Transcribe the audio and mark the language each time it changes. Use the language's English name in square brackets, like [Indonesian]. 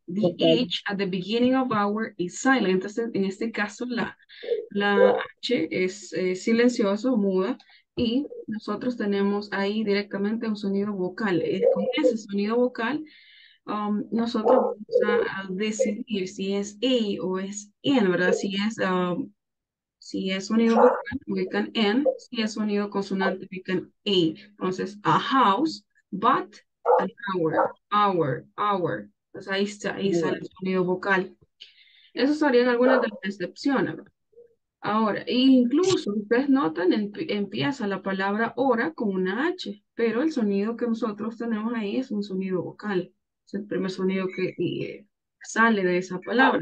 [English] The H at the beginning of hour is silent. [Spanish] Entonces, en este caso, la H es silencioso, muda. Y nosotros tenemos ahí directamente un sonido vocal. Con ese sonido vocal, nosotros vamos a decidir si es A o es N, ¿verdad? Si es, si es sonido vocal, [English] we can N. [Spanish] Si es sonido consonante, [English] we can A. [Spanish] Entonces, [English] a house, but an hour, hour, hour. [Spanish] Entonces, ahí está, ahí sale el sonido vocal. Eso serían algunas de las excepciones, ¿verdad? Ahora, incluso, ustedes notan, empieza la palabra hora con una H, pero el sonido que nosotros tenemos ahí es un sonido vocal. Es el primer sonido que sale de esa palabra.